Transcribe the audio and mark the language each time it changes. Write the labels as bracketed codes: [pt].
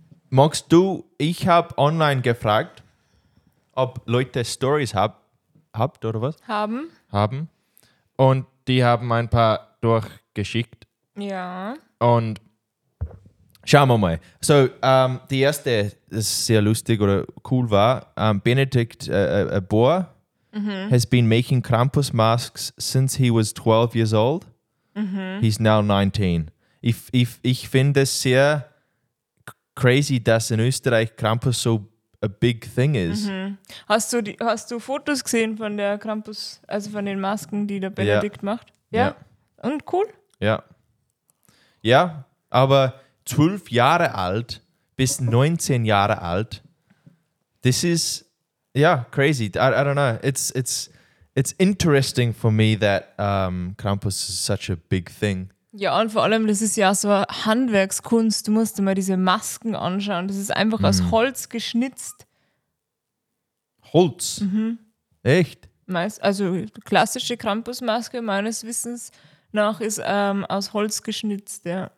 [de] Magst du, ich habe online gefragt, ob Leute Stories habt oder was? Haben. Und die haben ein paar durchgeschickt. Ja. Und schauen wir mal. So, die erste, das sehr lustig oder cool war, Benedict Bohr. Mm-hmm. [en] Has been making Krampus masks since he was 12 years old. Mm-hmm. He's now 19. [de] Ich finde es sehr crazy, dass in Österreich Krampus [en] so a big thing is. Mm-hmm. [de] Hast du Fotos gesehen von der Krampus, also von den Masken, die der Benedikt macht? Ja. [en] Yeah. [de] Und cool? Ja. Ja, aber 12 Jahre alt bis 19 Jahre alt, [en] this is... Yeah, crazy. I don't know. It's interesting for me that Krampus is such a big thing. [de] Ja, und vor allem, das ist ja so eine Handwerkskunst. Du musst dir mal diese Masken anschauen. Das ist einfach aus Holz geschnitzt. Holz? Mhm. Echt? Also klassische Krampusmaske meines Wissens nach ist aus Holz geschnitzt, ja.